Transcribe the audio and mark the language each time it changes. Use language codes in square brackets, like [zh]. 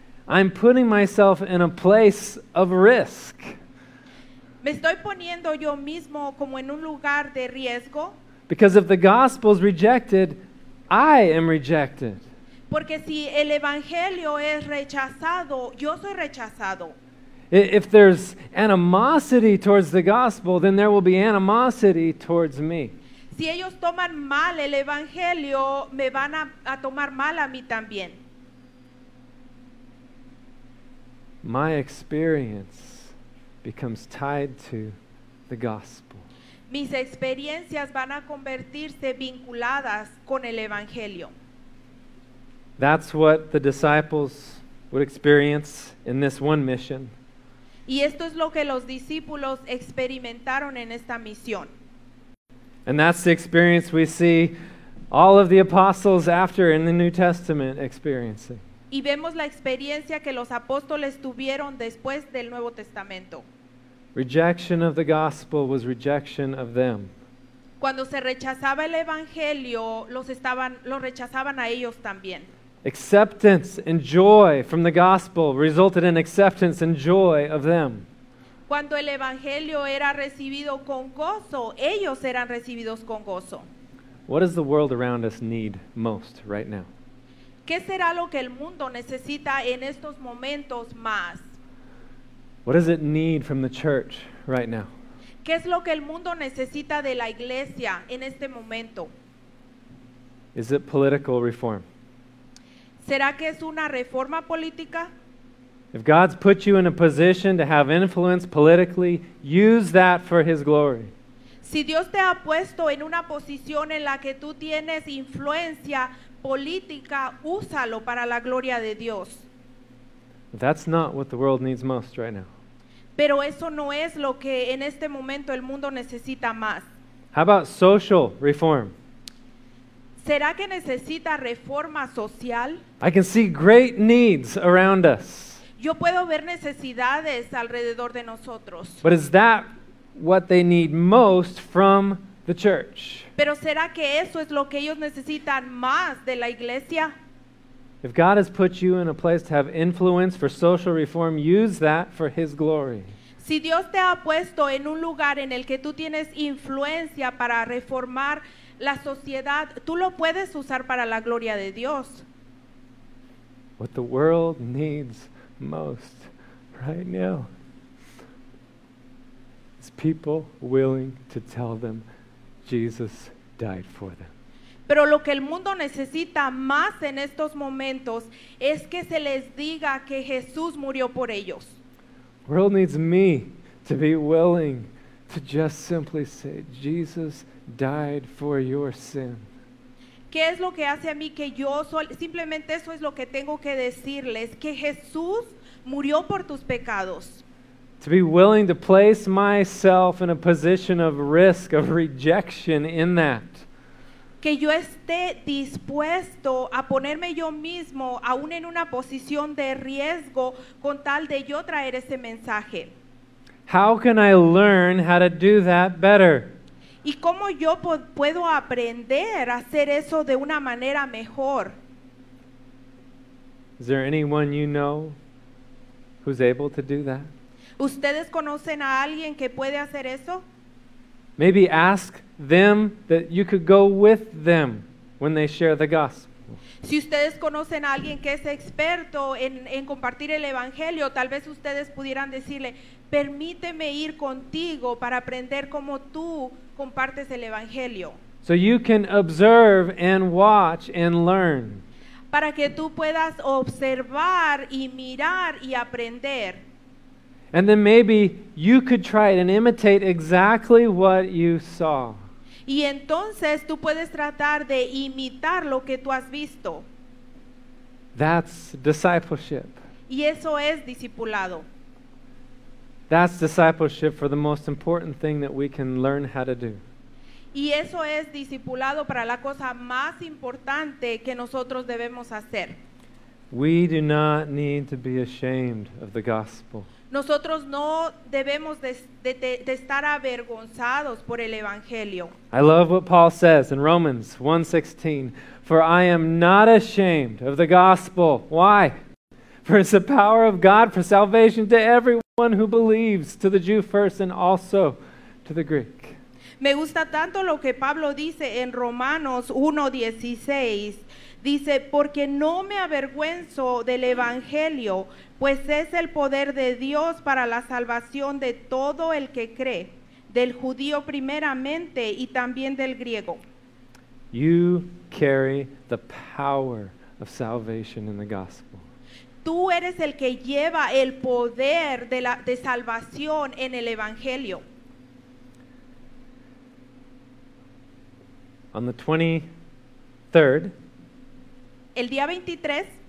[en] I'm putting myself in a place of risk. [es] Me estoy poniendo yo mismo como en un lugar de riesgo. [en] Because if the gospel is rejected, I am rejected. [es] Porque si el evangelio es rechazado, yo soy rechazado. [en] If there's animosity towards the gospel, then there will be animosity towards me. [es] Si ellos toman mal el evangelio, me van a tomar mal a mí también. [en] My experience becomes tied to the gospel. [es] Mis experiencias van a convertirse vinculadas con el evangelio. [en] That's what the disciples would experience in this one mission. [es] Y esto es lo que los discípulos experimentaron en esta misión. [en] And that's the experience we see all of the apostles after in the New Testament experiencing. [es] Y vemos la experiencia que los apóstoles tuvieron después del Nuevo Testamento. [en] Rejection of the gospel was rejection of them. [es] Cuando se rechazaba el evangelio, los rechazaban a ellos también. [en] Acceptance and joy from the gospel resulted in acceptance and joy of them. [es] Cuando el evangelio era recibido con gozo, ellos eran recibidos con gozo. [en] What does the world around us need most right now? [es] ¿Qué será lo que el mundo necesita en estos momentos más? [en] What does it need from the church right now? [es] ¿Qué es lo que el mundo necesita de la iglesia en este momento? [en] Is it political reform? [es] ¿Será que es una reforma política? [en] If God's put you in a position to have influence politically, use that for His glory. [es] Si Dios te ha puesto en una posición en la que tú tienes influencia política, úsalo para la gloria de Dios. [en] That's not what the world needs most right now. [es] Pero eso no es lo que en este momento el mundo necesita más. [en] How about social reform? [es] ¿Será que necesita reforma social? [en] I can see great needs around us. [es] Yo puedo ver necesidades alrededor de nosotros. [en] But is that what they need most from the church? [es] Pero ¿será que eso es lo que ellos necesitan más de la iglesia? [en] If God has put you in a place to have influence for social reform, use that for His glory. [es] Si Dios te ha puesto en un lugar en el que tú tienes influencia para reformar la sociedad, tú lo puedes usar para la gloria de Dios. [en] What the world needs most right now is people willing to tell them Jesus died for them. [es] Pero lo que el mundo necesita más en estos momentos es que se les diga que Jesús murió por ellos. [en] The world needs me to be willing to just simply say, Jesus died for your sin. [es] ¿Qué es lo que hace a mí que yo soy? Simplemente eso es lo que tengo que decirles, que Jesús murió por tus pecados. [en] To be willing to place myself in a position of risk, of rejection in that. [es] Que yo esté dispuesto a ponerme yo mismo aún en una posición de riesgo con tal de yo traer ese mensaje. [en] How can I learn how to do that better? [es] ¿Y cómo yo puedo aprender a hacer eso de una manera mejor? [en] Is there anyone you know who's able to do that? [es] ¿Ustedes conocen a alguien que puede hacer eso? [en] Maybe ask them that you could go with them when they share the gospel. [es] Si ustedes conocen a alguien que es experto en compartir el evangelio, tal vez ustedes pudieran decirle, permíteme ir contigo para aprender cómo tú compartes el evangelio. [en] So you can observe and watch and learn. [es] Para que tú puedas observar y mirar y aprender. [en] And then maybe you could try it and imitate exactly what you saw. [es] Y entonces tú puedes tratar de imitar lo que tú has visto. [en] That's discipleship. [es] Y eso es discipulado. [en] That's discipleship for the most important thing that we can learn how to do. [es] Y eso es discipulado para la cosa más importante que nosotros debemos hacer. [en] We do not need to be ashamed of the gospel. [es] Nosotros no debemos de estar avergonzados por el evangelio. [en] I love what Paul says in Romans 1:16, for I am not ashamed of the gospel. Why? For it's the power of God for salvation to everyone who believes, to the Jew first and also to the Greek. [es] Me gusta tanto lo que Pablo dice en Romanos 1:16. Dice, porque no me avergüenzo del evangelio, pues es el poder de Dios para la salvación de todo el que cree, del judío primeramente y también del griego. [en] You carry the power of salvation in the gospel. [es] Tú eres el que lleva el poder de salvación en el evangelio. [en] On the 23rd, [es] el día 23,